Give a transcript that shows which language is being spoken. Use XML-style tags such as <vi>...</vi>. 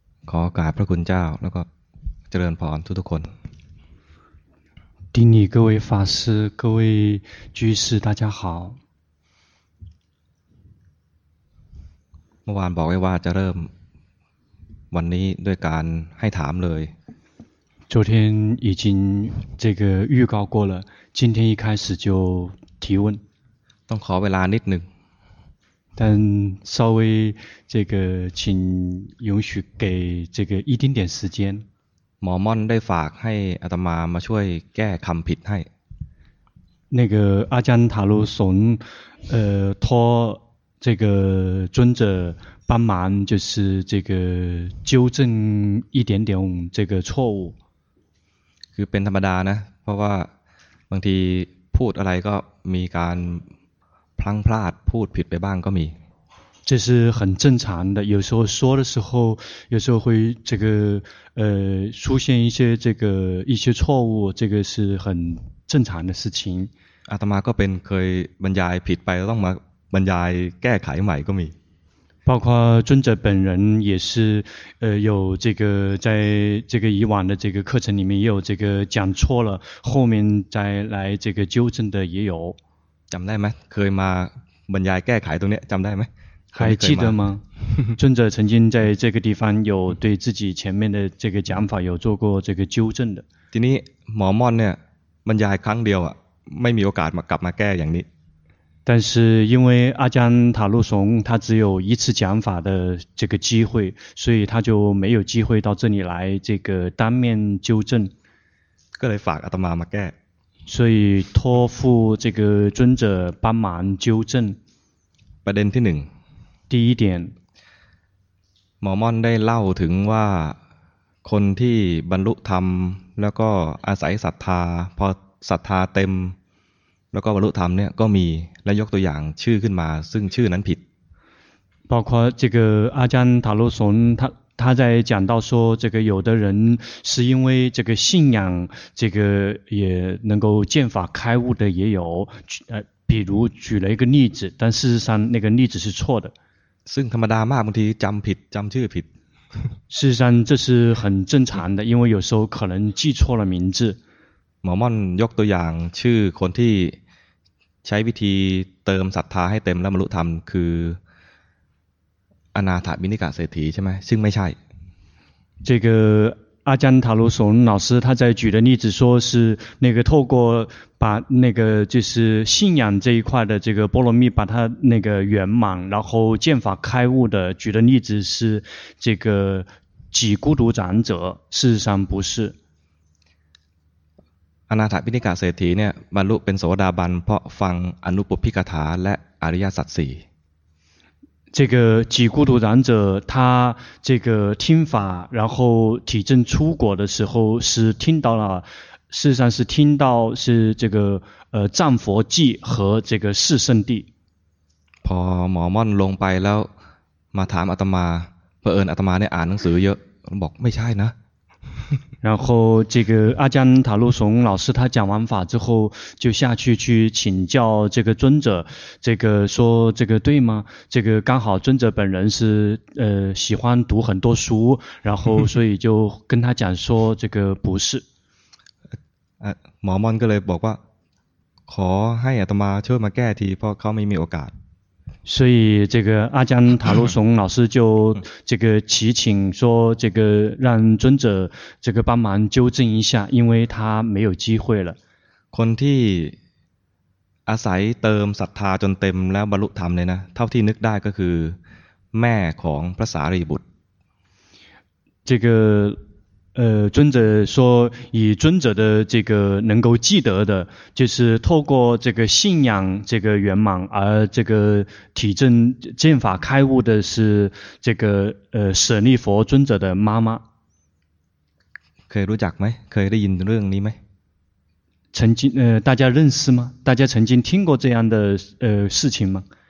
<th>ขอกราบพระคุณเจ้าแล้วก็เจริญพรทุกๆคน</th> <zh>丁尼各位法师各位居士大家好</zh> <th>เมื่อวานบอกไว้ว่าจะเริ่มวันนี้ด้วยการให้ถามเลย</th> <zh>昨天已经这个预告过了今天一开始就提问</zh> <th>ต้องขอเวลานิดหนึ่ง</th> <zh>但稍微这个请允许给这个一丁点时间</zh> <th>หมอม่อนได้ฝากให้อาตมามาช่วยแก้คำผิดให้</th> <zh>那个阿姜塔罗松托这个尊者帮忙就是这个纠正一点点这个错误</zh> <th>คือเป็นธรรมดานะเพราะว่าบางทีพูดอะไรก็มีการพลั้งพลาดพูดผิดไปบ้างก็มี</th> <zh>这是很正常的有时候说的时候有时候会这个出现一些这个一些错误这个是很正常的事情</zh> <th>อาตมาก็เป็นเคยบรรยายผิดไปต้องมาบรรยายแก้ไขใหม่ก็มี</th> <zh>包括尊者本人也是有这个在这个以往的这个课程里面也有这个讲错了后面再来这个纠正的也有</zh> <th>จำได้ไหมเคยมาบรรยายแก้ไขตรงนี้จำได้ไหม</th> <zh>还记得吗尊者曾经在这个地方有对自己前面的这个讲法有做过这个纠正的</zh> <th>ทีนี้หมอม่อนเนี่ยบรรยายครั้งเดียวอ่ะไม่มีโอกาสมากลับมาแก้อย่างนี้</th> <zh>但是因为阿姜塔罗松他只有一次讲法的这个机会所以他就没有机会到这里来这个当面纠正</zh> <th>ก็เลยฝากอาตมามาแก้</th> <zh>所以托付这个尊者帮忙纠正</zh> <th>ประเด็นที่หนึ่ง</th> <zh>第一点</zh> <th>หมอม่อนได้เล่าถึงว่าคนที่บรรลุธรรมแล้วก็อาศัยศรัทธาพอศรัทธาเต็มแล้วก็บรรลุธรรมเนี่ยก็มีและยกตัวอย่างชื่อขึ้นมาซึ่งชื่อนั้นผิด</th> <zh>包括这个阿姜塔罗松他在讲到说这个有的人是因为这个信仰这个也能够见法开悟的也有比如举了一个例子但事实上那个例子是错的</zh> <th>ซึ่งธรรมดามากบางทีจำผิดจำชื่อผิด</th> <zh>事实上这是很正常的因为有时候可能记错了名字</zh> <th>หมอม่อนยกตัวอย่างชื่อคนที่ใช้วิธีเติมศรัทธาให้เต็มแล้วบรรลุธรรมคืออนาถบิณฑิกเศรษฐีใช่ไหมซึ่งไม่ใช่</th> <zh>这个阿姜塔罗松老师他在举的例子说是那个透过把那个就是信仰这一块的这个波罗蜜把它那个圆满然后见法开悟的举的例子是这个几孤独长者事实上不是</zh> <th>อนาถบิณฑิกเศรษฐีเนี่ยบรรลุเป็นโสดาบันเพราะฟังอนุปปิกถาและอริยสัจสี่</th> <zh>这个几孤独长者他这个听法然后体证出果的时候是听到了事实上是听到是这个战佛记和这个四圣地</zh> <th>พอหมอม่อนลงไปแล้วมาถามอาตมาเผอิญอาตมาเนี่ยอ่านหนังสือเยอะบอกไม่ใช่นะ</th> <zh>然后这个阿姜塔罗松老师他讲完法之后就下去去请教这个尊者这个说这个对吗这个刚好尊者本人是喜欢读很多书然后所以就跟他讲说这个不是</zh> <th>หมอม่อนก็เลยบอกว่าขอให้อาตมาช่วยมาแก้ทีเพราะเขาไม่มีโอกาส</th> <zh>所以这个阿姜塔罗松老师就这个祈请说这个让尊者这个帮忙纠正一下因为他没有机会了</zh> <th>คนที่อาศัยเติมศรัทธาจนเต็มแล้วบรรลุธรรมเลยนะเท่าที่นึกได้ก็คือแม่ของพระสารีบุตร</th> <zh>这个尊者说以尊者的这个能够记得的就是透过这个信仰这个圆满而这个体证见法开悟的是这个舍利佛尊者的妈妈可以</zh> <th>รู้จักไหมเคยได้ยินเรื่องนี้ไหม</th> <zh>曾经大家认识吗大家曾经听过这样的事情吗</zh>